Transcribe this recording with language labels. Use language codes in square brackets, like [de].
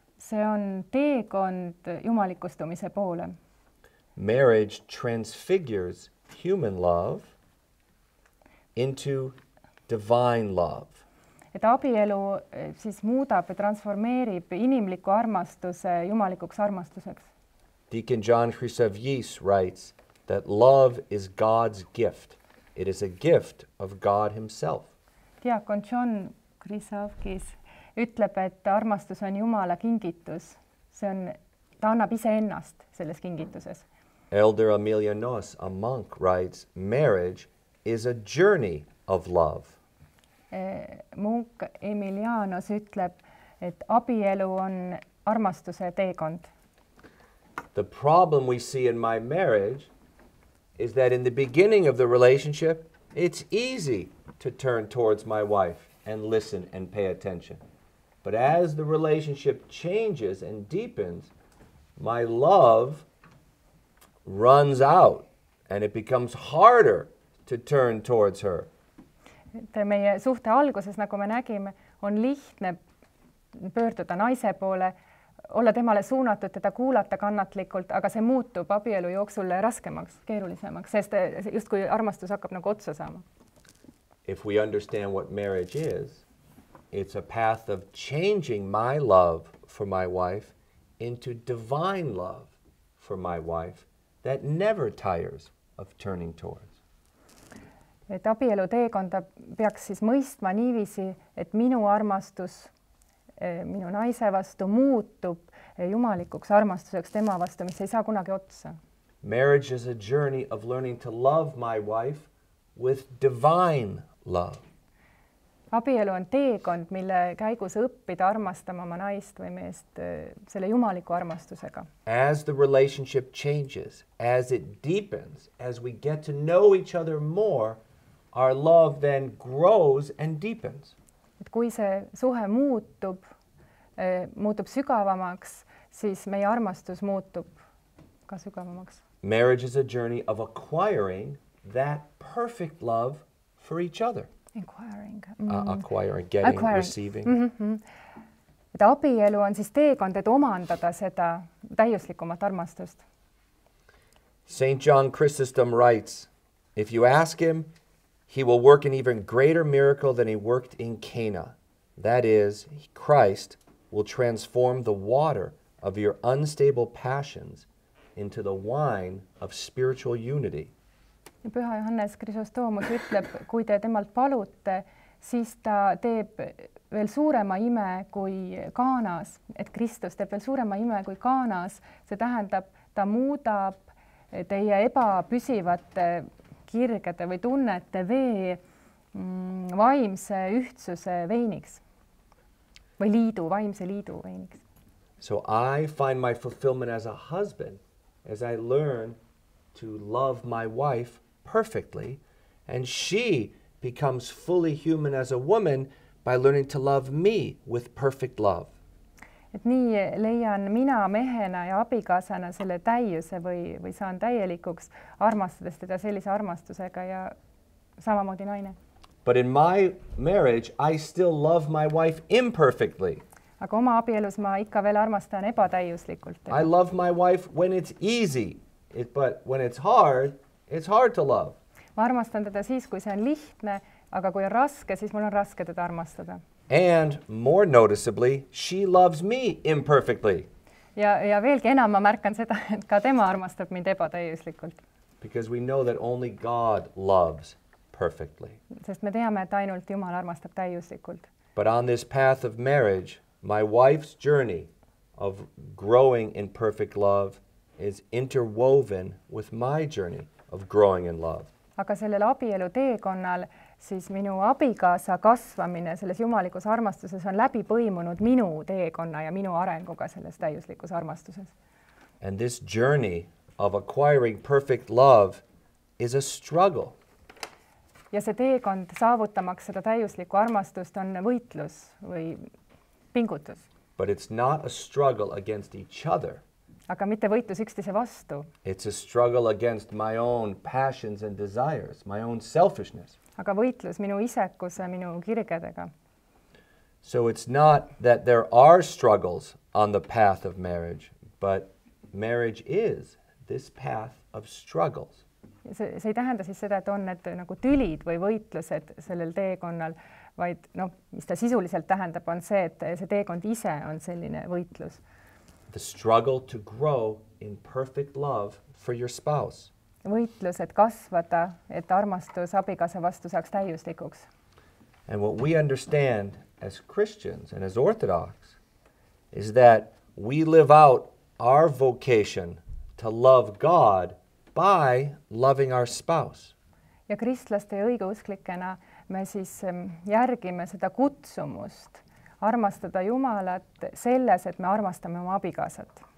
[et] See on teekond jumalikustumise poole. [en] Marriage transfigures human love into divine love. [et] Et abielu siis muudab ja transformeerib inimliku armastuse jumalikuks armastuseks. [en] Deacon John Chrysavyis writes that love is God's gift. It is a gift of God himself. [et] Diakon John Chrysavyis ütleb, et armastus on Jumala kingitus. See on, ta annab ise ennast selles kingituses. [en] Elder Amelia Noss, a monk, writes, "Marriage is a journey of love." [et] Munk Emilianos ütleb, et abielu on armastuse teekond. [en] The problem we see in my marriage is that in the beginning of the relationship, it's easy to turn towards my wife and listen and pay attention. But as the relationship changes and deepens, my love runs out and it becomes harder to turn towards her. [et] Meie suhte alguses, nagu me nägime, on lihtne pöörduda naise poole, olla temale suunatud, teda kuulata kannatlikult, aga see muutub abielu jooksul raskemaks, keerulisemaks, sest just kui armastus hakkab nagu otsa saama. [en] if we understand what marriage is, it's a path of changing my love for my wife into divine love for my wife that never tires of turning towards. [et] Et abielu teekonda peaks siis mõistma niiviisi, et minu armastus minu naise vastu muutub jumalikuks armastuseks tema vastu, mis ei saa kunagi otsa. [en] Marriage is a journey of learning to love my wife with divine love. [et] Abielu on teekond, mille käigus õppida armastama oma naist või meest selle jumaliku armastusega. [en] As the relationship changes, as it deepens, as we get to know each other more, our love then grows and deepens. [et] Et kui see suhe muutub, muutub sügavamaks, siis meie armastus muutub ka sügavamaks. [en] Marriage is a journey of acquiring that perfect love for each other. Inquiring. Acquiring, getting, acquiring. Receiving. Mm-hmm. [et] Et abielu on siis teekond, et omandada seda täiuslikumat armastust. [en] St. John Chrysostom writes, if you ask him, he will work an even greater miracle than he worked in Cana. That is, Christ will transform the water of your unstable passions into the wine of spiritual unity. [et] Püha Johannes Chrysostomus ütleb, kui te temalt palute, siis ta teeb veel suurema ime kui Kaanas. Et Kristus teeb veel suurema ime kui Kaanas. See tähendab, ta muudab teie ebapüsivate kirgede või tunnete vee vaimse ühtsuse veiniks. Või liidu, vaimse liidu veiniks. [en] So I find my fulfillment as a husband as I learn to love my wife perfectly, and she becomes fully human as a woman by learning to love me with perfect love. [et] Et nii leian mina mehena ja abikaasana selle täiuse või saan täielikuks armastades teda sellise armastusega ja samamoodi naine. [en] But in my marriage I still love my wife imperfectly. [et] Aga oma abielus ma ikka veel armastan ebatäiuslikult. [en] I love my wife when it's easy, but when it's hard, it's hard to love. [et] Ma armastan teda siis, kui see on lihtne, aga kui on raske, siis mul on raske teda armastada. [en] And more noticeably, she loves me imperfectly. [et] Ja veelgi enam ma märkan seda, et ka tema armastab mind ebatäiuslikult. [en] Because we know that only God loves perfectly. [et] Sest me teame, et ainult Jumal armastab täiuslikult. [en] But on this path of marriage, my wife's journey of growing in perfect love is interwoven with my journey of growing in love. [et] Aga sellel abielu teekonnal siis minu abikaasa kasvamine selles jumalikus armastuses on läbi põimunud minu teekonna ja minu arenguga selles täiuslikus armastuses. [en] And this journey of acquiring perfect love is a struggle. [et] Ja see teekond saavutamaks seda täiuslikku armastust on võitlus või pingutus. [en] But it's not a struggle against each other. [et] Aga mitte võitlus üksteise vastu. [en] It's a struggle against my own passions and desires, my own selfishness. [et] Aga võitlus minu isekuse, minu kirgedega. [en] So it's not that there are struggles on the path of marriage, but marriage is this path of struggles. [et] See ei tähenda siis seda, et on need nagu tülid või võitlused sellel teekonnal, vaid noh, mis ta sisuliselt tähendab, on see, et see teekond ise on selline võitlus. [en] The struggle to grow in perfect love for your spouse. [et] Võitlus, et kasvada, et armastus abikaasa vastu saaks täiuslikuks. [en] And what we understand as Christians and as Orthodox is that we live out our vocation to love God by loving our spouse. [et] Ja kristlaste õigeusklikena me siis järgime seda kutsumust armastada Jumalat selles, et me armastame oma abikaasat.